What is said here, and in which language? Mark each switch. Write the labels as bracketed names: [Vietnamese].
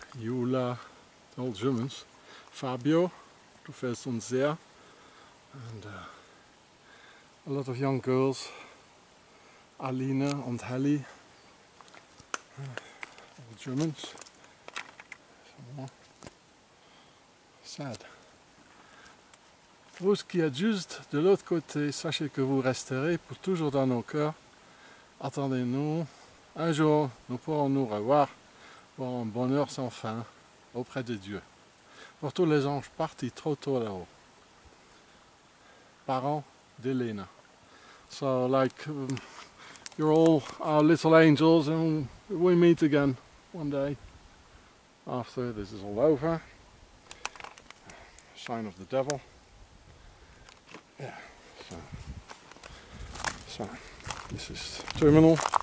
[German] Jula, [English] all Germans. [German] Fabio, du failst uns sehr. [English] And a lot of young girls, Alina and Helly, all Germans, some more. Sad. [French] Vous qui êtes juste de l'autre côté, sachez que vous resterez pour toujours dans nos cœurs. Attendez-nous, un jour nous pourrons nous revoir pour un bonheur sans fin auprès de Dieu. Pour tous les anges partis trop tôt là-haut. Parents d'Elena. [English] So, like, you're all our little angels, and we meet again one day after this is all over. Sign of the devil. Yeah, so this is terminal.